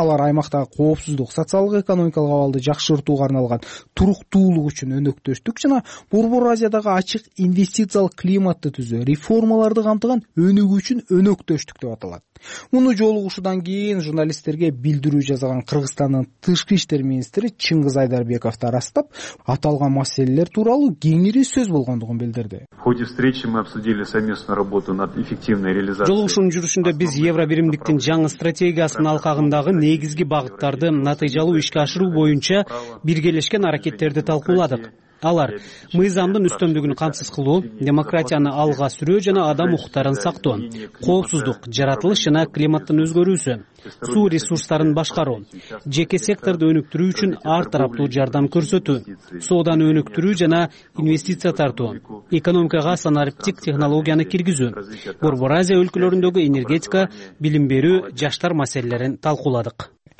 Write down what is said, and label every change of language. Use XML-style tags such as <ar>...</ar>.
<ky>Алар аймактагы коопсуздук, социалдык экономикалык абалды жакшыртууга арналган туруктуулук үчүн өнөктөштүк жана Борбор Азиядагы ачык инвестициялык климатты түзөө, реформаларды камтыган өнүгүү үчүн өнөктөштүк деп аталат. Муну жолугушуудан кийин журналисттерге билдирүү жазган Кыргызстандын тышкы иштер министри Чыңгыз Айдарбеков да ырастап, аталган маселелер тууралуу кеңири сөз болгондугун билдирди.</ky> <ru>В ходе встречи мы обсудили совместную работу над эффективной реализацией.</ru> <ky>Жолугушуунун жүрүшүндө биз Евробиримдиктин жаңы стратегиясынын алкагындагы негизги багыттарды натыйжалуу ишке ашыруу боюнча биргелешкен аракеттерди талкууладык. Алар мыйзамдын үстөмдүгүн камсыз кылуу, демократияны алга сүрүү жана адам укуктарын сактоо, коопсуздук, жаратылыш жана климаттын өзгөрүүсү, суу ресурстарын башкаруу, жеке секторду өнүктүрүү үчүн ар тараптуу жардам көрсөтүү, сооданы өнүктүрүү жана инвестиция тартуу, экономикага санариптик технологияны киргизүү, Борбор Азия өлкөлөрүндөгү энергетика, билим берүү, жаштар маселелерин талкууладык.</ky>